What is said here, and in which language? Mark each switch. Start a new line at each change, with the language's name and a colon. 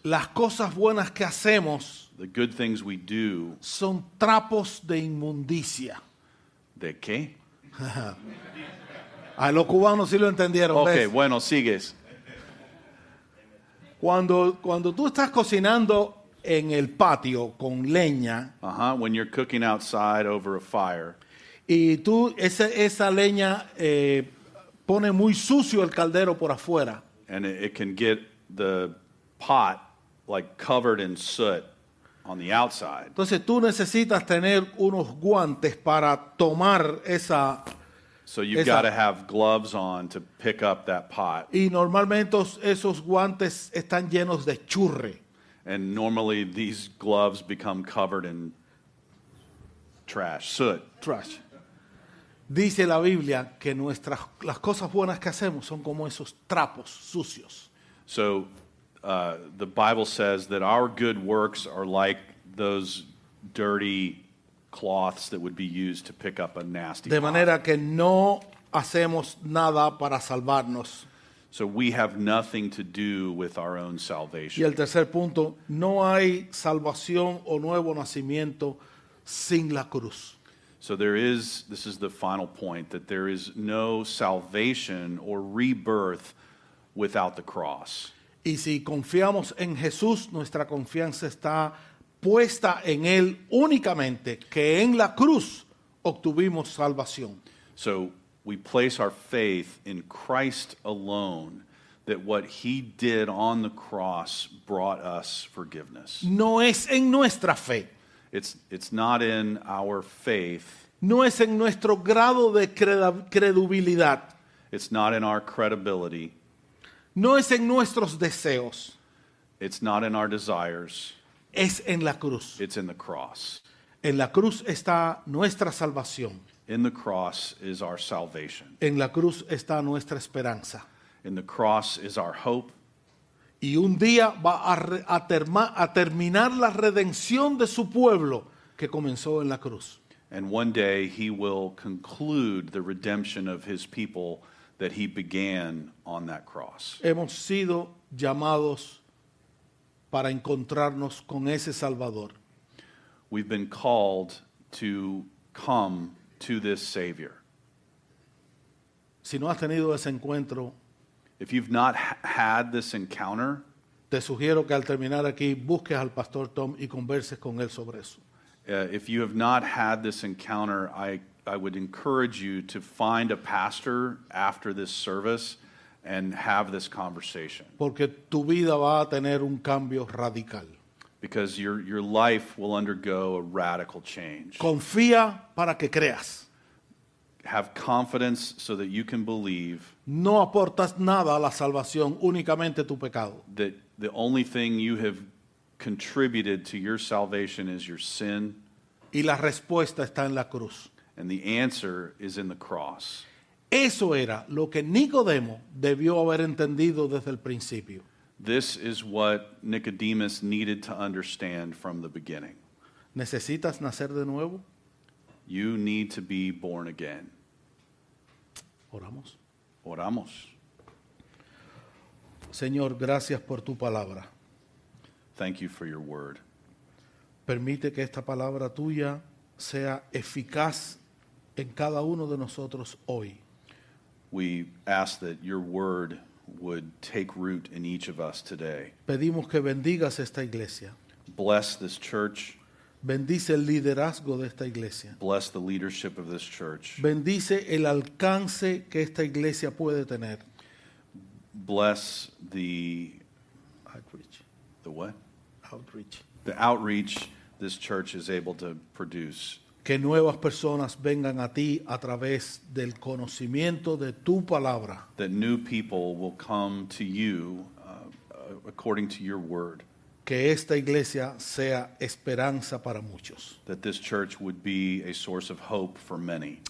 Spanish: Las cosas buenas que hacemos,
English: the good things we do,
Spanish: son trapos de inmundicia. ¿De qué? A los cubanos sí lo entendieron. Ok, ¿ves? Bueno, sigues. Cuando tú estás cocinando en el patio con leña. Uh-huh.
English: When you're cooking outside over a fire.
Spanish: Y tú, esa leña pone muy sucio el caldero por afuera.
English: And it can get the pot like covered in soot on the outside.
Spanish: Entonces tú necesitas tener unos guantes para tomar esa.
English: So you've got to have gloves on to pick up that pot.
Spanish: Y normalmente esos guantes están llenos de churre.
English: And normally these gloves become covered in trash, soot. Trash.
Spanish: Dice la Biblia que nuestras las cosas buenas que hacemos son como esos trapos sucios.
English: So the Bible says that our good works are like those dirty cloths that would be used to pick up a nasty
Spanish: De manera
English: pot.
Spanish: Que no hacemos nada para salvarnos.
English: So we have nothing to do with our own salvation.
Spanish: Y el tercer punto, no hay salvación o nuevo nacimiento sin la cruz.
English: So there is, this is the final point, that there is no salvation or rebirth without the cross.
Spanish: Y si confiamos en Jesús, nuestra confianza está puesta en Él únicamente, que en la cruz obtuvimos salvación.
English: So we place our faith in Christ alone, that what He did on the cross brought us forgiveness.
Spanish: No es en nuestra fe.
English: It's not in our faith.
Spanish: No es en nuestro grado de credibilidad.
English: It's not in our credibility.
Spanish: No es en nuestros deseos.
English: It's not in our desires.
Spanish: Es en la cruz.
English: It's in the cross.
Spanish: En la cruz está nuestra salvación.
English: In the cross is our salvation.
Spanish: En la cruz está nuestra esperanza.
English: In the cross is our hope.
Spanish: Y un día va a terminar la redención de su pueblo que comenzó en la cruz.
English: And one day he will conclude the redemption of his people that he began on that cross.
Spanish: Hemos sido llamados para encontrarnos con ese Salvador.
English: We've been called to come to this Savior.
Spanish: Si no has tenido ese encuentro,
English: if you've not had this encounter,
Spanish: te sugiero que al terminar aquí busques al Pastor Tom y converses con él sobre eso.
English: If you have not had this encounter, I would encourage you to find a pastor after this service and have this conversation.
Spanish: Porque tu vida va a tener un cambio radical.
English: Because your life will undergo a radical change.
Spanish: Confía para que creas.
English: Have confidence so that you can believe.
Spanish: No aportas nada a la salvación, únicamente tu pecado.
English: That the only thing you have contributed to your salvation is your sin.
Spanish: Y la respuesta está en la cruz.
English: And the answer is in the cross.
Spanish: Eso era lo que Nicodemo debió haber entendido desde el principio.
English: This is what Nicodemus needed to understand from the beginning.
Spanish: ¿Necesitas nacer de nuevo?
English: You need to be born again.
Spanish: Oramos. Oramos. Señor, gracias por tu palabra.
English: Thank you for your word.
Spanish: Permite que esta palabra tuya sea eficaz en cada uno de nosotros hoy.
English: We ask that your word would take root in each of us today.
Spanish: Pedimos que bendigas esta iglesia.
English: Bless this church.
Spanish: Bendice el liderazgo de esta iglesia.
English: Bless the leadership of this church.
Spanish: Bendice el alcance que esta iglesia puede tener.
English: Bless the outreach. The what? Outreach. The outreach this church is able to produce.
Spanish: Que nuevas personas vengan a ti a través del conocimiento de tu palabra.
English: That new people will come to you according to your word.
Spanish: Que esta iglesia sea esperanza para muchos.
English: That this church would be a source of hope for many.